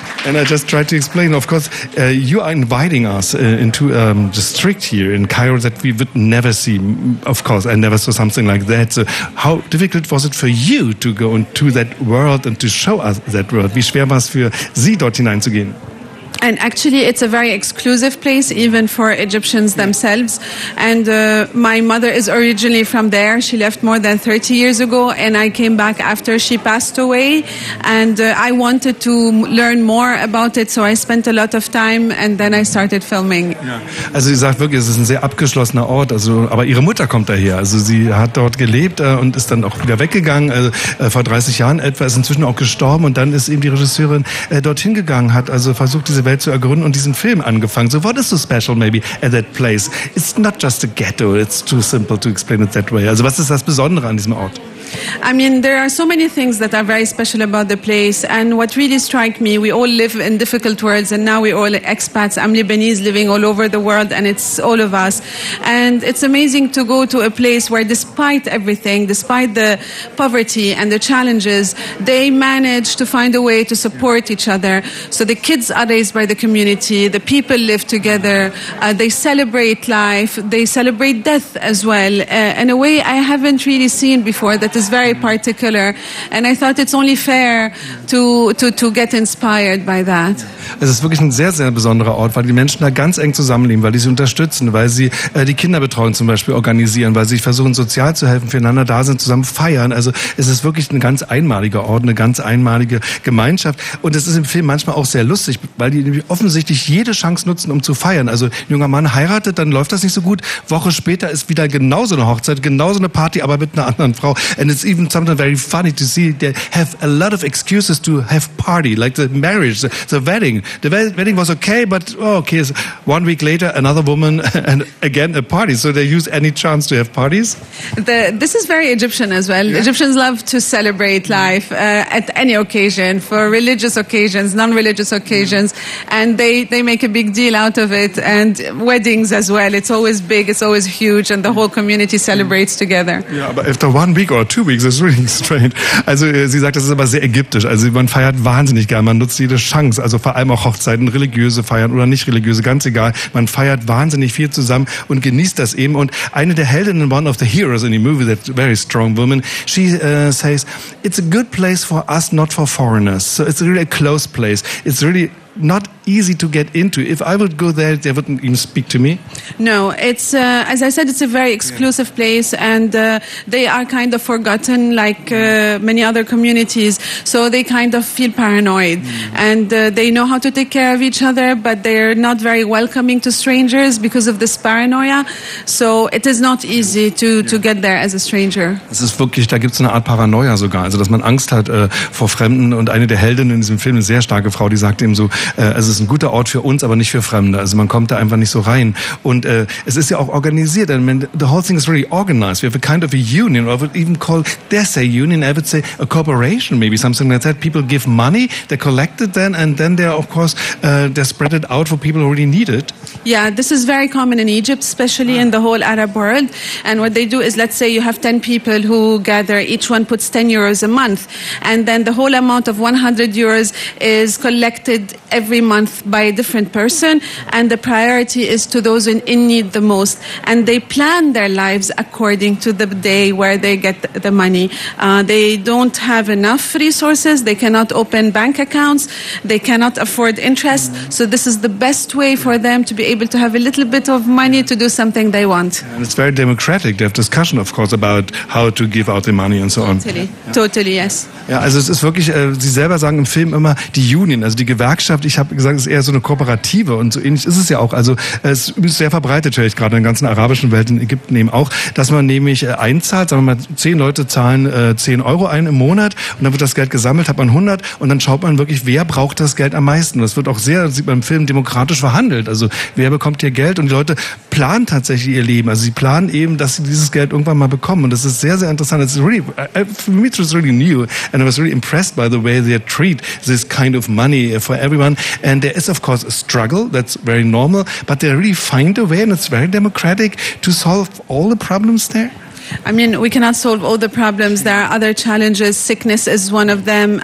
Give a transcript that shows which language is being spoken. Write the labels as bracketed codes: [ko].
[en] And I just tried to explain, of course, you are inviting us into a district here in Cairo that we would never see. Of course, I never saw something like that. So how difficult was it for you to go into that world and to show us that world? [de] Wie schwer war es für Sie, dort hineinzugehen? [en] And actually, it's a very exclusive place, even for Egyptians themselves. And my mother is originally from there. She left more than 30 years ago, and I came back after she passed away. And I wanted to learn more about it, so I spent a lot of time, and then I started filming. Yeah. [de] Also, sie sagt wirklich, es ist ein sehr abgeschlossener Ort. Also, aber ihre Mutter kommt daher. Also, sie hat dort gelebt und ist dann auch wieder weggegangen. Vor 30 Jahren etwa ist inzwischen auch gestorben, und dann ist eben die Regisseurin dorthin gegangen, hat also versucht, diese Welt zu ergründen und diesen Film angefangen. [en] So, what is so special maybe at that place? It's not just a ghetto, it's too simple to explain it that way. [de] Also, was ist das Besondere an diesem Ort? [en] I mean, there are so many things that are very special about the place, and what really strikes me, we all live in difficult worlds, and now we're all expats. I'm Lebanese, living all over the world, and it's all of us. And it's amazing to go to a place where, despite everything, despite the poverty and the challenges, they manage to find a way to support each other. So the kids are raised by the community, the people live together, they celebrate life, they celebrate death as well, in a way I haven't really seen before, that is very particular, and I thought it's only fair to get inspired by that. [de] Es ist wirklich ein sehr, sehr besonderer Ort, weil die Menschen da ganz eng zusammenleben, weil die sie unterstützen, weil sie die Kinderbetreuung zum Beispiel organisieren, weil sie versuchen, sozial zu helfen, füreinander da sind, zusammen feiern. Also es ist wirklich ein ganz einmaliger Ort, eine ganz einmalige Gemeinschaft. Und es ist im Film manchmal auch sehr lustig, weil die offensichtlich jede Chance nutzen, um zu feiern. Also ein junger Mann heiratet, dann läuft das nicht so gut. Woche später ist wieder genauso eine Hochzeit, genauso eine Party, aber mit einer anderen Frau. [en] And it's even sometimes very funny to see they have a lot of excuses to have party, like the marriage, the wedding. The wedding was okay, but oh, okay, so 1 week later, another woman and again a party. So they use any chance to have parties? This is very Egyptian as well. Yeah. Egyptians love to celebrate life at any occasion, for religious occasions, non-religious occasions, and they make a big deal out of it. And weddings as well, it's always big, it's always huge, and the whole community celebrates together. Yeah, but after 1 week or 2 weeks, it's really strange. [de] Also sie sagt, das ist aber sehr ägyptisch. Also man feiert wahnsinnig gern, man nutzt jede Chance, also vor allem auch Hochzeiten, religiöse feiern oder nicht religiöse, ganz egal. Man feiert wahnsinnig viel zusammen und genießt das eben. Und eine der Heldinnen, [en] one of the heroes in the movie, that very strong woman, she says, it's a good place for us, not for foreigners. So it's really a close place. It's really not easy to get into. If I would go there, they wouldn't even speak to me. No, it's as I said, it's a very exclusive place, and they are kind of forgotten, like many other communities. So they kind of feel paranoid, and they know how to take care of each other, but they're not very welcoming to strangers because of this paranoia. So it is not easy to get there as a stranger. [de] Es ist wirklich, da gibt's eine Art Paranoia sogar, also dass man Angst hat vor Fremden. Und eine der Heldinnen in diesem Film, eine sehr starke Frau, die sagt eben so, es ist ein guter Ort für uns, aber nicht für Fremde. Also man kommt da einfach nicht so rein. Und es ist ja auch organisiert. [en] I mean, the whole thing is really organized. We have a kind of a union, or I would even call this a union. I would say a corporation, maybe something like that. People give money, they collect it then, and then they're of course they spread it out for people who really need it. Yeah, this is very common in Egypt, especially in the whole Arab world. And what they do is, let's say you have 10 people who gather, each one puts 10 euros a month, and then the whole amount of 100 euros is collected every month month by a different person, and the priority is to those in need the most. And they plan their lives according to the day where they get the money. They don't have enough resources. They cannot open bank accounts. They cannot afford interest. So this is the best way for them to be able to have a little bit of money to do something they want. And it's very democratic. They have discussion, of course, about how to give out the money and so totally. On. Totally, yes. [de] Ja, also es ist wirklich, Sie selber sagen im Film immer, die Union, also die Gewerkschaft, ich habe gesagt, es ist eher so eine Kooperative und so ähnlich ist es ja auch. Also es ist sehr verbreitet, höre ich gerade in der ganzen arabischen Welt, in Ägypten eben auch, dass man nämlich einzahlt, sagen wir mal, 10 Leute zahlen 10 Euro ein im Monat und dann wird das Geld gesammelt, hat man 100 und dann schaut man wirklich, wer braucht das Geld am meisten. Das wird auch sehr, das sieht man im Film, demokratisch verhandelt. Also wer bekommt hier Geld und die Leute planen tatsächlich ihr Leben. Also sie planen eben, dass sie dieses Geld irgendwann mal bekommen und das ist sehr, sehr interessant. [en] It's really, for me it was really new. And I was really impressed by the way they treat this kind of money for everyone. And there is, of course, a struggle. That's very normal. But they really find a way, and it's very democratic, to solve all the problems there. I mean, we cannot solve all the problems. There are other challenges. Sickness is one of them.